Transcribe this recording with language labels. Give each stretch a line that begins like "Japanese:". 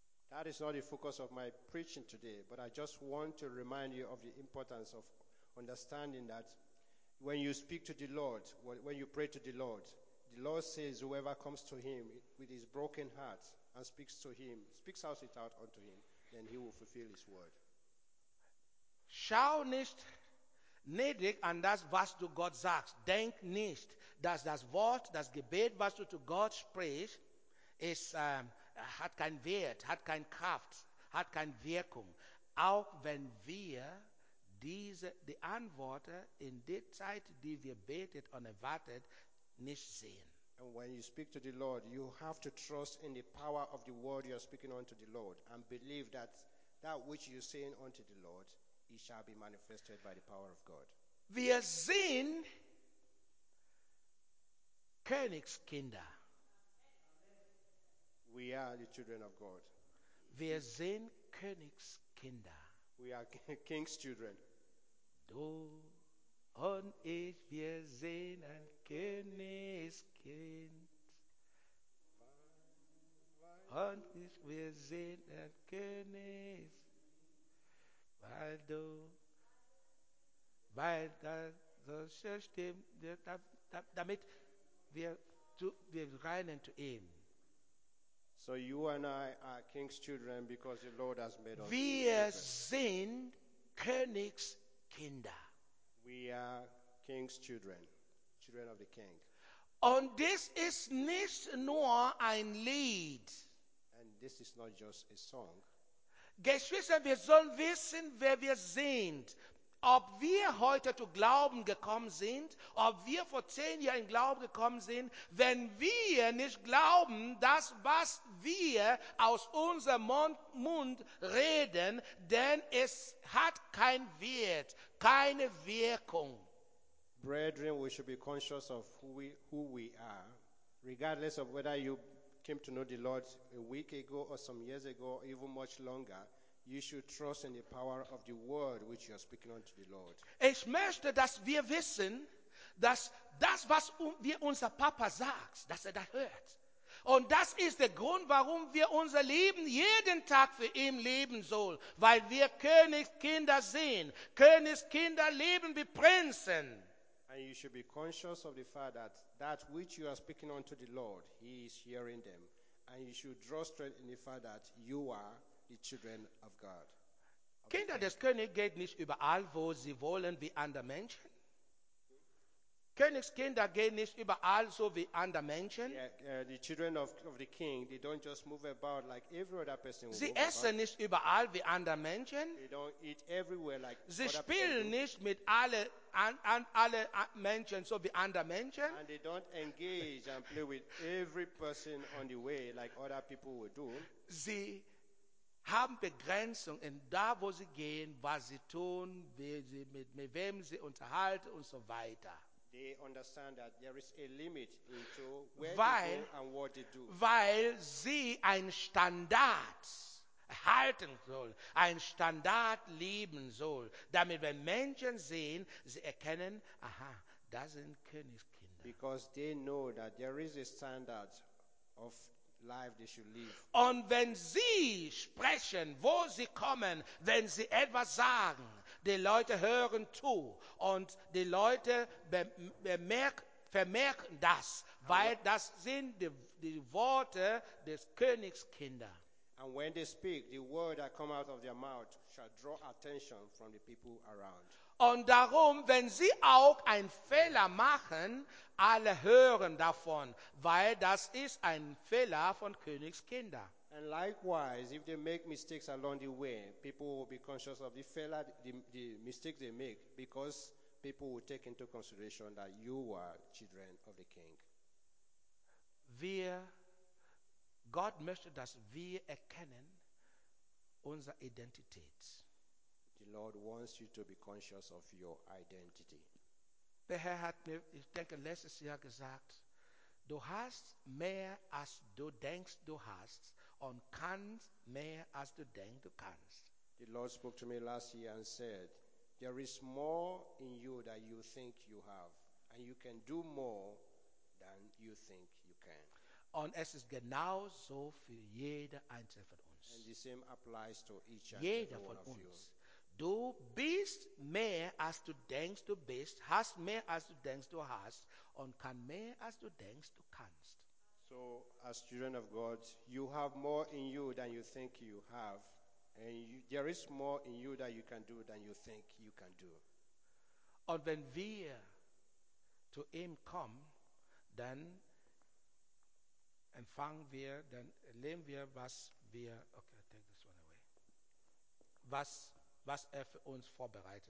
English: That is not the focus of my preaching today, but I just want to remind you of the importance of understanding that when you speak to the Lord, when you pray to the Lord says whoever comes to him with his broken heart and speaks to him, speaks out it out unto him, then he will fulfill his word.
German: Schau nicht niedrig an das, was du Gott sagst. Denk nicht, dass das Wort, das Gebet, was du zu Gott sprichst, ist hat keinen Wert, hat keine Kraft, hat keine Wirkung. Auch wenn wir die Antworten in der Zeit, die wir betet und erwartet, nicht sehen.
English: And when you speak to the Lord, you have to trust in the power of the word you are speaking unto the Lord and believe that that which you are saying unto the Lord, it shall be manifested by the power of God.
German: Wir sind Königskinder.
English: We are the children of God.
German: Wir sind Königskinder.
English: We are King's children.
German: Du und ich, wir sind ein Königskind. Und ich, wir sind ein Königskind. Weil du, weil das so schön stimmt, damit wir reinen zu ihm.
English: So you and I are King's children because the Lord has made us.
German: Wir sind Königskinder.
English: We are King's children, children of the King.
German: Und das ist nicht nur ein Lied.
English: And this is not just a song.
German: Geschwister, wir sollen wissen, wer wir sind. Ob wir heute zu Glauben gekommen sind, ob wir vor 10 Jahren in Glauben gekommen sind, wenn wir nicht glauben, das, was wir aus unserem Mund reden, denn es hat keinen Wert, keine Wirkung.
English: Brethren, we should be conscious of who we are, regardless of whether you came to know the Lord a week ago or some years ago, or even much longer. You should trust in the power of the word which you are speaking unto the Lord.
German: Ich möchte, dass wir wissen, dass das, was wir unser Papa sagt, dass das hört. Und das ist der Grund, warum wir unser Leben jeden Tag für ihn leben sollen, weil wir Königskinder sind. Königskinder leben wie Prinzen.
English: And you should be conscious of the fact that that which you are speaking unto the Lord, he is hearing them. And you should draw strength in the fact that you are the children of God.
German: Kinder des Königs geht nicht überall, wo sie wollen, wie andere Menschen. Königskinder gehen nicht überall, so wie andere Menschen.
English: The children of the king, they don't just move about like every other person.
German: Sie essen nicht überall wie andere Menschen.
English: They don't eat everywhere like other people.
German: Sie spielen nicht mit alle Menschen, so wie andere Menschen.
English: And they don't engage and play with every person on the way like other people would do.
German: Sie haben Begrenzung in da, wo sie gehen, was sie tun, mit wem sie unterhalten und so weiter.
English: They understand that there is a limit into where they go and what they do.
German: Weil sie ein Standard halten soll, ein Standard leben soll, damit wenn Menschen sehen, sie erkennen, aha, das sind Königskinder.
English: Because they know that there is a standard of life they should live.
German: Und wenn sie sprechen, wo sie kommen, wenn sie etwas sagen, die Leute hören zu und die Leute vermerken das, weil das sind die Worte des Königskinder.
English: And when they speak, the word that come out of their mouth shall draw attention from the people around.
German: Und darum, wenn sie auch einen Fehler machen, alle hören davon, weil das ist ein Fehler von Königskinder.
English: And likewise, if they make mistakes along the way, people will be conscious of the failure, the mistake they make, because people will take into consideration that you are children of the King.
German: Wir, Gott möchte, dass wir erkennen unsere Identität.
English: The Lord wants you to be conscious of your identity.
German: Der Herr hat mir, ich denke, letztes Jahr gesagt, du hast mehr, als du denkst, du hast, und kannst mehr, als du denkst, du kannst.
English: The Lord spoke to me last year and said, there is more in you that you think you have, and you can do more than you think you can.
German: Und es ist genau so für jeder Einzelne von uns.
English: And the same applies to each and
German: jeder
English: every one
German: von
English: of You.
German: Du bist mehr, als du denkst, du bist, hast mehr, als du denkst, du hast, und kann mehr, als du denkst, du kannst.
English: So, as children of God, you have more in you than you think you have, and you, there is more in you that you can do than you think you can do.
German: Und wenn wir zu ihm kommen, dann empfangen wir, dann erleben wir, was wir,
English: okay, I take this one away,
German: was er für uns vorbereitet